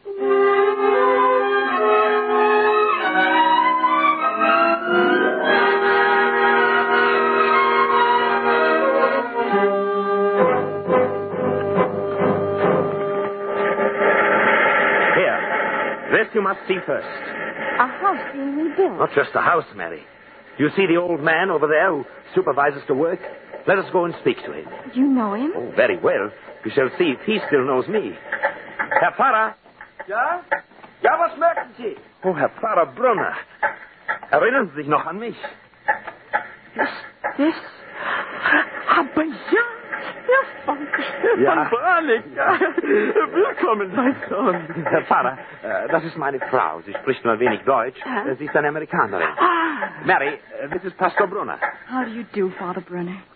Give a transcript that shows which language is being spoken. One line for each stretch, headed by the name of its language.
English: Here. This you must see first. A house being rebuilt. Not just a house, Mary. You see the old man over there who supervises the work? Let us go and speak to him. You know him? Oh, very well. We shall see if he still knows me.
German: Herr Pfarrer? Ja? Ja, was möchten Sie? Oh, Herr Pfarrer Brunner. Erinnern Sie sich noch an mich? Ist das... Aber ja, Herr Pfarrer. Ja. Willkommen, mein Sohn. Herr Pfarrer, das ist meine Frau. Sie spricht nur wenig Deutsch. Ja? Sie ist eine Amerikanerin. Ah.
English: Mary, this is Pastor Brunner. How do you do, Father Brunner?